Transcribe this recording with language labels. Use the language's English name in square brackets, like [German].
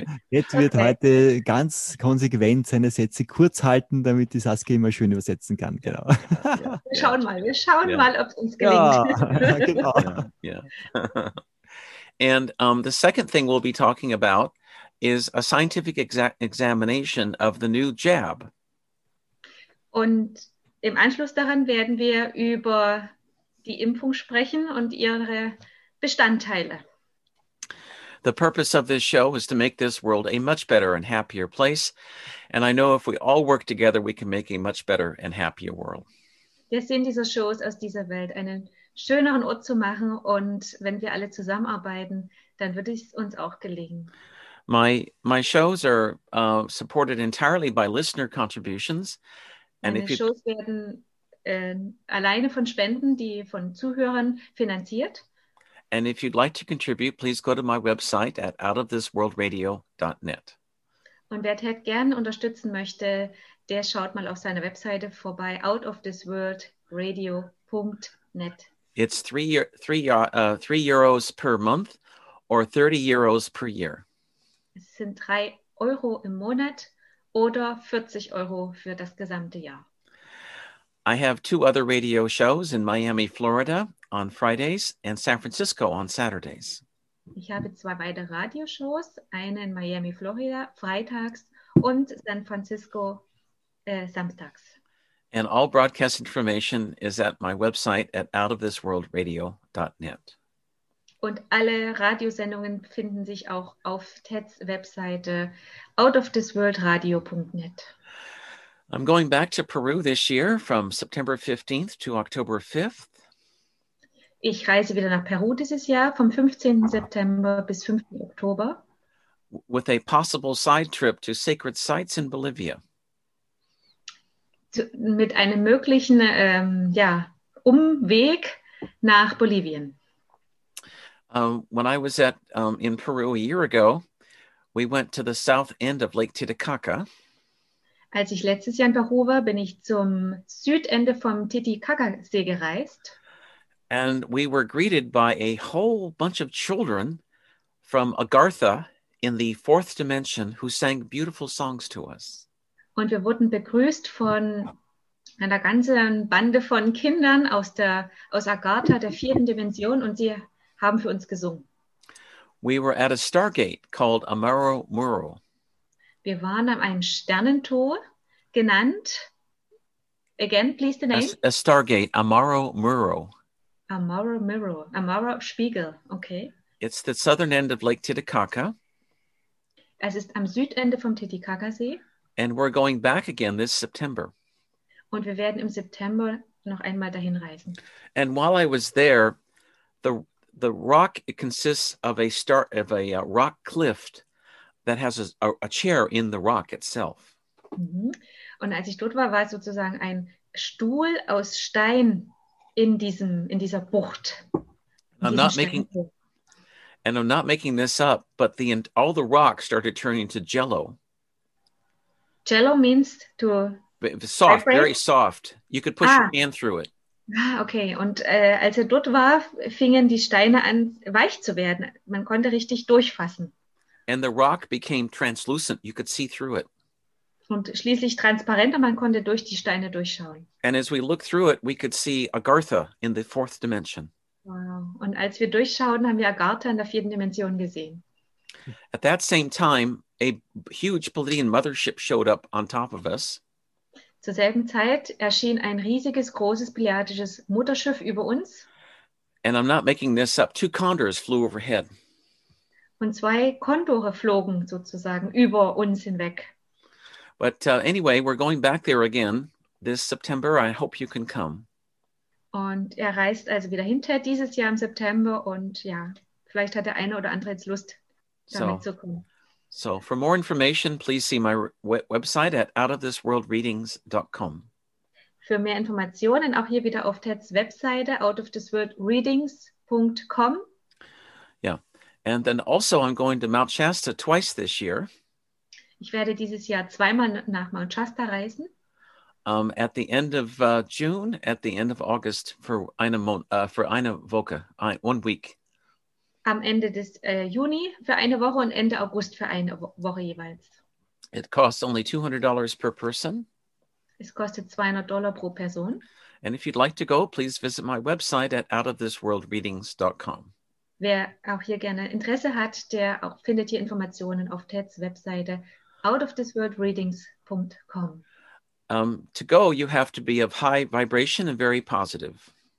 [German] Jetzt wird heute ganz konsequent seine Sätze kurz halten, damit die Saskia immer schön übersetzen kann. Genau. Wir schauen mal, ob es uns gelingt. Ja, genau. [English] And the second thing we'll be talking about is a scientific examination of the new jab. [German] Und im Anschluss daran werden wir über die Impfung sprechen und ihre Bestandteile. [English] The purpose of this show is to make this world a much better and happier place. And I know if we all work together, we can make a much better and happier world. [German] Der Sinn dieser Show ist, aus dieser Welt einen schöneren Ort zu machen. Und wenn wir alle zusammenarbeiten, dann wird es uns auch gelingen. [English] My shows are supported entirely by listener contributions. [German] And meine Shows werden alleine von Spenden, die von Zuhörern finanziert. [English] And if you'd like to contribute, please go to my website at outofthisworldradio.net. [German] Und wer Ted gern unterstützen möchte, der schaut mal auf seine Webseite vorbei, outofthisworldradio.net. [English] It's €3 per month or €30 per year. [German] Es sind 3 € im Monat oder 40 € für das gesamte Jahr. [English] I have 2 other radio shows in Miami, Florida on Fridays and San Francisco on Saturdays. [German] Ich habe 2 weitere Radioshows, eine in Miami, Florida, freitags und San Francisco samstags. [English] And all broadcast information is at my website at outofthisworldradio.net. [German] Und alle Radiosendungen finden sich auch auf Ted's Webseite outofthisworldradio.net. [English] I'm going back to Peru this year from September 15th to October 5th. [German] Ich reise wieder nach Peru dieses Jahr vom 15. September bis 5. Oktober. [English] With a possible side trip to sacred sites in Bolivia. [German] Mit einem möglichen Umweg nach Bolivien. [English] When I was at in Peru a year ago, we went to the south end of Lake Titicaca. [German] Als ich letztes Jahr in Peru war, bin ich zum Südende vom Titicaca-See gereist. [English] And we were greeted by a whole bunch of children from Agartha in the fourth dimension who sang beautiful songs to us. [German] Und wir wurden begrüßt von einer ganzen Bande von Kindern aus Agartha, der vierten Dimension, und sie haben für uns gesungen. [English] We were at a Stargate called Amaro Muro. [German] Wir waren an einem Sternentor genannt. [English] Again, please the name. A Stargate, Amaro Muro. [German] Amaro Muro, Amaro Spiegel, okay. [English] It's the southern end of Lake Titicaca. [German] Es ist am Südende vom Titicaca-See. [English] And we're going back again this September. [German] Und wir werden im September noch einmal dahin reisen. [English] And while I was there, the rock, it consists of a rock cliff that has a chair in the rock itself. [German] Und als ich dort war, war sozusagen ein Stuhl aus Stein in dieser Bucht. [English] I'm not making this up, but all the rocks started turning to jello. Jello means to soft, very soft. You could push your hand through it. [German] Okay, und als er dort war, fingen die Steine an, weich zu werden. Man konnte richtig durchfassen. [English] And the rock became translucent. You could see through it. [German] Und schließlich transparent, und man konnte durch die Steine durchschauen. [English] And as we looked through it, we could see Agartha in the fourth dimension. Wow. [German] Und als wir durchschauten, haben wir Agartha in der vierten Dimension gesehen. [English] At that same time, a huge Pleiadian mothership showed up on top of us. [German] Zur selben Zeit erschien ein riesiges, großes pleiadisches Mutterschiff über uns. [English] And I'm not making this up. Two condors flew overhead. [German] Und zwei Kondore flogen sozusagen über uns hinweg. [English] But anyway, we're going back there again this September. I hope you can come. [German] Und er reist also wieder hinterher dieses Jahr im September. Und ja, vielleicht hat der eine oder andere jetzt Lust, damit zu kommen. [English] So, for more information, please see my website at outofthisworldreadings.com. [German] Für mehr Informationen, auch hier wieder auf Teds Webseite, outofthisworldreadings.com. [English] Yeah, and then also I'm going to Mount Shasta twice this year. [German] Ich werde dieses Jahr zweimal nach Mount Shasta reisen. [English] At the end of June, at the end of August, one week. [German] Am Ende des Juni für eine Woche und Ende August für eine Woche jeweils. [English] It costs only $200 per person. [German] Es kostet $200 pro Person. [English] And if you'd like to go, please visit my website at outofthisworldreadings.com. [German] Wer auch hier gerne Interesse hat, der auch findet hier Informationen auf Teds Webseite outofthisworldreadings.com. [English] To go, you have to be of high vibration and very positive.